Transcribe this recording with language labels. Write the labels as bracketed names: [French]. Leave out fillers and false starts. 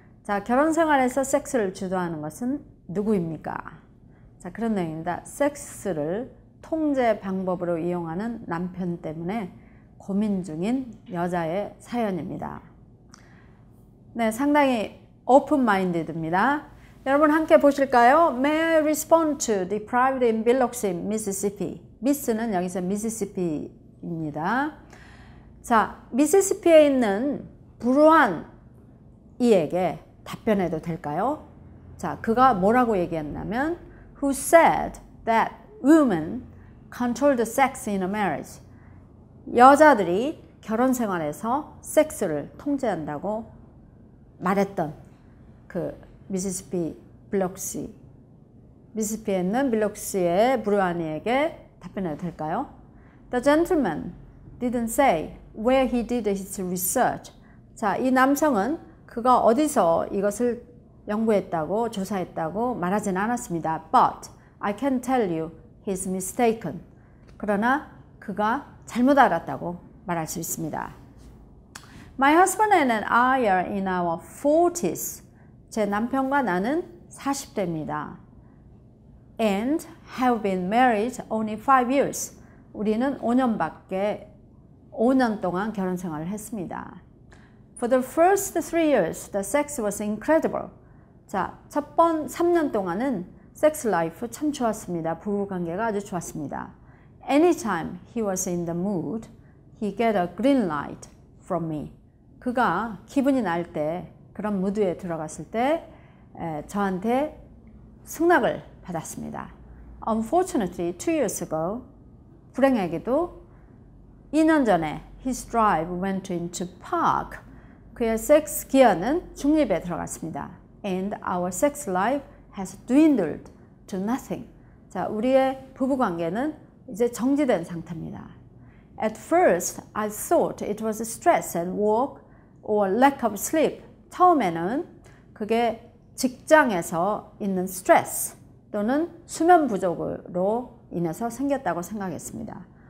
[Korean] 자, 결혼 생활에서 섹스를 주도하는 것은 누구입니까? 자, 그런 내용입니다. 섹스를 통제 방법으로 이용하는 남편 때문에 고민 중인 여자의 사연입니다. 네, 상당히 오픈마인드입니다. 여러분 함께 보실까요? [English] May I respond to the private in Biloxi, Mississippi? [Korean] Miss는 여기서 Mississippi입니다. 자, Mississippi에 있는 불우한 이에게 답변해도 될까요? 자, 그가 뭐라고 얘기했냐면 [English] Who said that women control the sex in a marriage? [Korean] 여자들이 결혼 생활에서 섹스를 통제한다고 말했던 그 미시시피 블록시 미시시피에 있는 블록시의 브루아니에게 답변해도 될까요? [English] The gentleman didn't say where he did his research. [Korean] 자, 이 남성은 그가 어디서 이것을 연구했다고 조사했다고 말하진 않았습니다. [English] But I can tell you he's mistaken. [Korean] 그러나 그가 잘못 알았다고 말할 수 있습니다. [English] My husband and I are in our 40s. [Korean] 제 남편과 나는 40대입니다. [English] And have been married only 5 years. [Korean] 우리는 5년 동안 결혼 생활을 했습니다. [English] For the first 3 years, the sex was incredible. [Korean] 자, 3년 동안은 [English] sex life [Korean] 참 좋았습니다. 부부 관계가 아주 좋았습니다. [English] Anytime he was in the mood, he get a green light from me. [Korean] 그가 기분이 날 때 그런 무드에 들어갔을 때 저한테 승낙을 받았습니다. [English] Unfortunately, 2 years ago, [Korean] 불행하게도 2년 전에 [English] his drive went into park. [Korean] 그의 섹스 기어는 중립에 들어갔습니다. [English] And our sex life has dwindled to nothing. [Korean] 자, 우리의 부부관계는 이제 정지된 상태입니다. [English] At first, I thought it was stress at work or lack of sleep. [Korean] 처음에는 그게 직장에서 있는 스트레스 또는 수면 부족으로 인해서 생겼다고 생각했습니다.